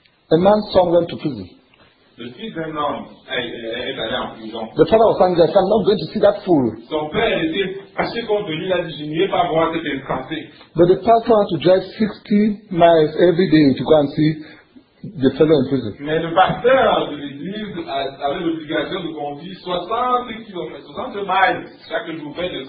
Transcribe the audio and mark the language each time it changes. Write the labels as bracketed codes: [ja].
[en] A man's son went to prison. [fr] Le fils d'un homme est allé en prison. [en] The father was angry. I'm not going to see that fool. [fr] Son père était assez contre lui. Il a dit, je n'irai pas voir cet insensé. [en] But the pastor had to drive 60 miles every day to go and see the fellow in prison. [fr] Mais le pasteur de l'église avait l'obligation de conduire 60 kilomètres, 60 miles chaque jour, près de 100